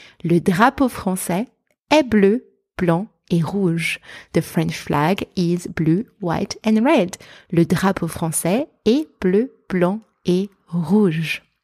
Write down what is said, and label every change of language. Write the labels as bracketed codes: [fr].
[fr] Le drapeau français est bleu, blanc et rouge. [en] The French flag is blue, white and red. [fr] Le drapeau français est bleu, blanc et rouge.